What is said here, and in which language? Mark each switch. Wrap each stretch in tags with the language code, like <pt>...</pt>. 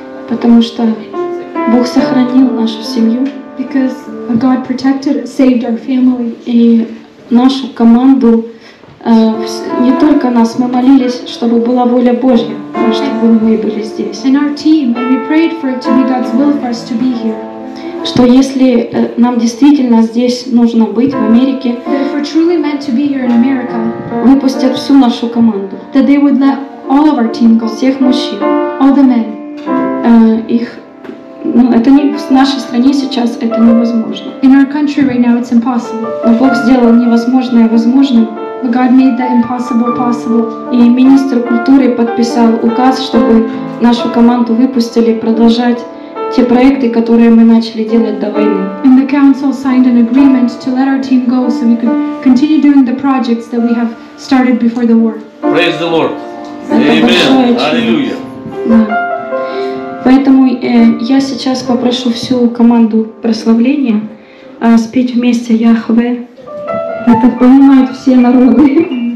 <ru>Потому что Бог сохранил нашу семью.</ru> <en>Because God protected, saved our family.</en> <ru>И нашу команду. Не только нас, мы молились, чтобы была воля Божья, но чтобы мы были здесь.</ru> <en>And our team, and we prayed for it to be God's will for us to be here.</en> <ru>Что если нам действительно здесь нужно быть в Америке,</ru> <en>that if we're truly meant to be here in America,</en> <ru>выпустят всю нашу команду,</ru> <en>that they would let all of our team go,</en> <ru>всех мужчин,</ru> <en>all the men,</en> <ru>их, ну, это не в нашей стране сейчас это невозможно.</ru> <en>In our country right now it's impossible.</en> <ru>Но Бог сделал невозможное возможным.</ru> <en>But God made that impossible possible.</en> <ru>И министр культуры подписал указ, чтобы нашу команду выпустили продолжать те проекты, которые мы начали делать до войны.</ru> <en>And the council signed an agreement to let our team go so we could continue doing the projects that we have started before the war. Praise the Lord. Amen. Hallelujah.</en> <ru>Поэтому я сейчас попрошу всю команду прославления спеть вместе Яхве. Это понимают все народы.</ru>